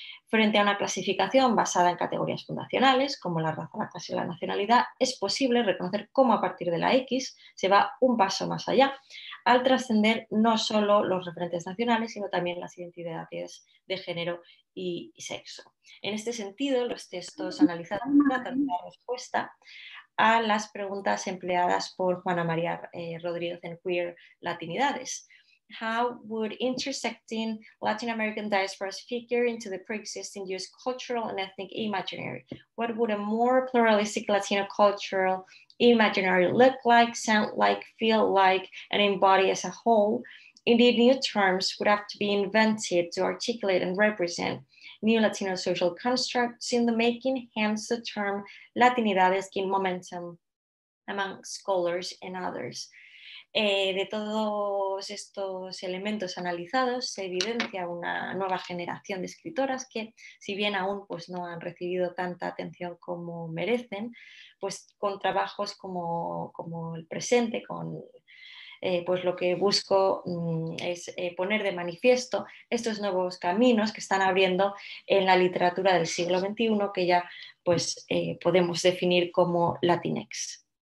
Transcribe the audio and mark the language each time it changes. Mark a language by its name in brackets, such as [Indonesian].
[Spanish] Frente a una clasificación basada en categorías fundacionales, como la raza, la clase y la nacionalidad, es posible reconocer cómo a partir de la X se va un paso más allá, al trascender no solo los referentes nacionales, sino también las identidades de género y sexo. En este sentido, los textos analizados tratan de dar respuesta a las preguntas empleadas por Juana María Rodríguez en Queer Latinidades. [English] How would intersecting Latin American diasporas figure into the pre-existing U.S. cultural and ethnic imaginary? What would a more pluralistic Latino cultural imaginary look like, sound like, feel like, and embody as a whole? Indeed, new terms would have to be invented to articulate and represent new Latino social constructs in the making, hence the term Latinidades gain momentum among scholars and others. [Spanish] De todos estos elementos analizados se evidencia una nueva generación de escritoras que, si bien aún pues, no han recibido tanta atención como merecen, pues con trabajos como el presente, con pues lo que busco es poner de manifiesto estos nuevos caminos que están abriendo en la literatura del siglo XXI, que ya pues, podemos definir como Latinx.